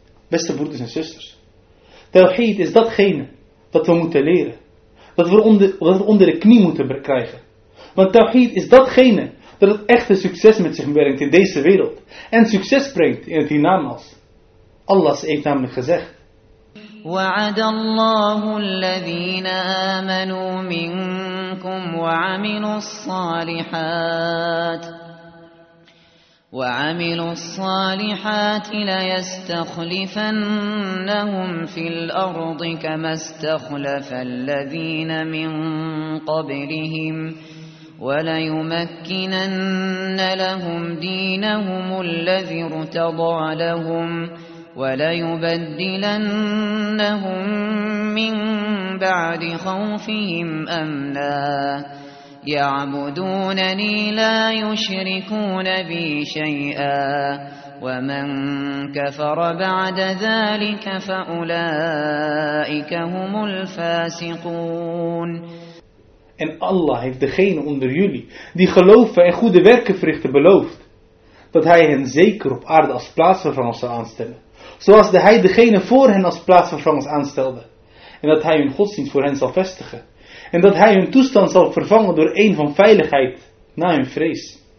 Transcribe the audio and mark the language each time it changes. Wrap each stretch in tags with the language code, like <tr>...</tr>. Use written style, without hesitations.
<nl>Beste broeders en zusters, tawhid is datgene dat we moeten leren. Dat we onder de knie moeten krijgen. Want tawhid is datgene dat het echte succes met zich brengt in deze wereld. En succes brengt in het hiernamaals. Allah heeft namelijk gezegd.</nl> <ar>وَعَدَ اللَّهُ الَّذِينَ آمَنُوا مِنْكُمْ وَعَمِلُوا الصَّالِحَاتِ وعملوا الصالحات ليستخلفنهم في الأرض كما استخلف الذين من قبلهم وليمكنن لهم دينهم الذي ارتضى لهم وليبدلنهم من بعد خوفهم أمنا يعبدونني لا يشركون بي شيئا ومن كفر بعد ذلك فأولئك هم الفاسقون.</ar> <nl>En Allah heeft degene onder jullie die geloven en goede werken verrichten beloofd, dat hij hen zeker op aarde als plaatsvervangers zou aanstellen, zoals hij degene voor hen als plaatsvervangers aanstelde, en dat hij hun godsdienst voor hen zal vestigen. En dat hij hun toestand zal vervangen door een van veiligheid na hun vrees.</nl>